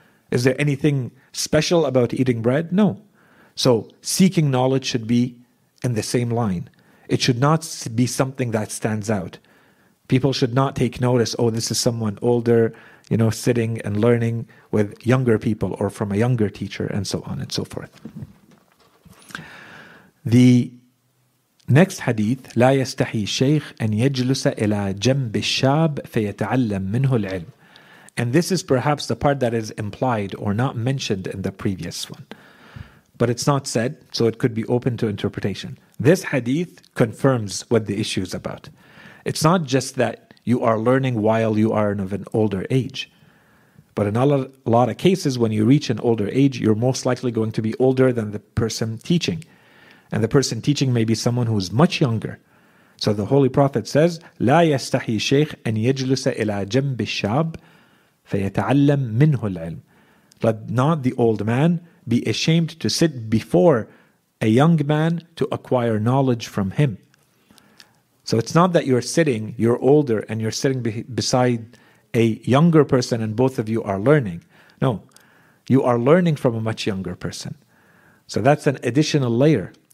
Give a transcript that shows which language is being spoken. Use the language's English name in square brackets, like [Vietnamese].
[English] Is there anything special about eating bread? No. So seeking knowledge should be in the same line. It should not be something that stands out. People should not take notice, oh, this is someone older, you know, sitting and learning with younger people or from a younger teacher and so on and so forth. The next hadith, [Arabic] لا يستحي الشيخ أن يجلس إلى جنب الشاب فيتعلم منه العلم. [English] And this is perhaps the part that is implied or not mentioned in the previous one. But it's not said, so it could be open to interpretation. This hadith confirms what the issue is about. It's not just that you are learning while you are of an older age. But in a lot of cases, when you reach an older age, you're most likely going to be older than the person teaching. And the person teaching may be someone who is much younger. So the Holy Prophet says, [Arabic] لا يستحي شيخ أن يجلس إلى جنب الشاب فيتعلم منه العلم. [English] Let not the old man be ashamed to sit before a young man to acquire knowledge from him. So it's not that you're sitting, you're older, and you're sitting beside a younger person and both of you are learning. No, you are learning from a much younger person. So that's an additional layer.